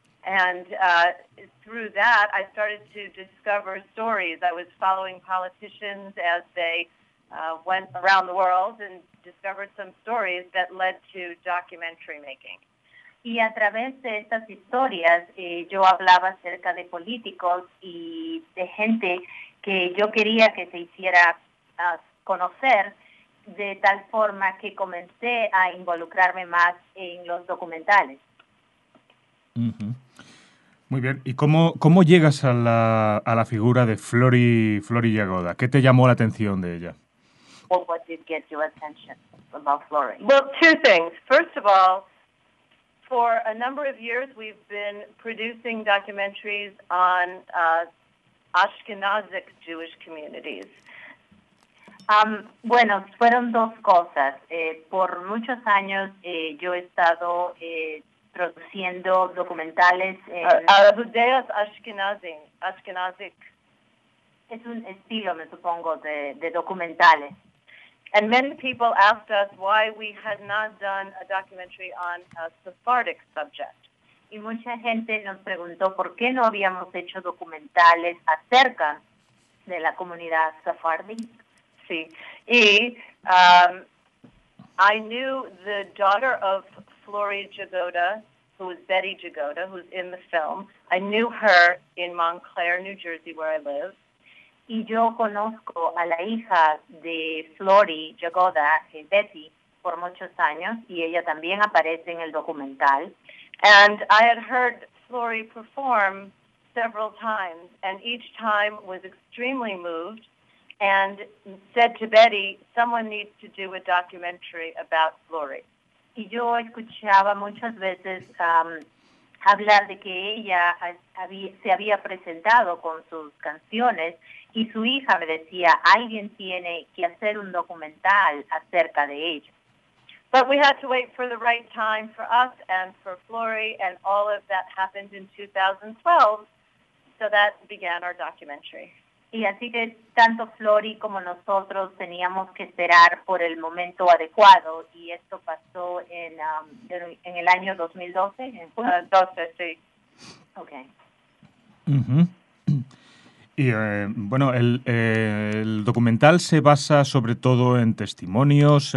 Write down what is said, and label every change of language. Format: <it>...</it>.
<en>And through that, I started to discover stories. I was following politicians as they went around the world and discovered some stories that led to documentary making.</en> <es>Y a través de estas historias, yo hablaba acerca de políticos y de gente que yo quería que se hiciera conocer, de tal forma que comencé a involucrarme más en los documentales. Muy bien. ¿Y cómo llegas a la figura de Flori Yagoda? ¿Qué te llamó la atención de ella?</es> <en>Well, what did get your attention about Flori? Well, two things. First of all, for a number of years, we've been producing documentaries on Ashkenazic Jewish communities.</en> <es>Bueno, fueron dos cosas. Por muchos años yo he estado produciendo documentales en... Judeas Ashkenazic. Es un estilo, me supongo, de documentales.</es> <en>And many people asked us why we had not done a documentary on a Sephardic subject.</en> <es>Y mucha gente nos preguntó por qué no habíamos hecho documentales acerca de la comunidad sefardí. Sí.</es> <en>Y I knew the daughter of Flori Yagoda, who was Betty Yagoda, who's in the film. I knew her in Montclair, New Jersey, where I live.</en> <es>Y yo conozco a la hija de Flori Yagoda, Betty, por muchos años, y ella también aparece en el documental.</es> <en>And I had heard Flori perform several times, and each time was extremely moved, and said to Betty, someone needs to do a documentary about Flori.</en> <es>Y yo escuchaba muchas veces hablar de que ella se había presentado con sus canciones, y su hija me decía, alguien tiene que hacer un documental acerca de ella.</es> <en>But we had to wait for the right time for us and for Flori, and all of that happened in 2012, so that began our documentary.</en> <es>Y así que tanto Flori como nosotros teníamos que esperar por el momento adecuado, y esto pasó en el año 2012. 12, sí. Okay. Y bueno, el documental se basa sobre todo en testimonios.</es>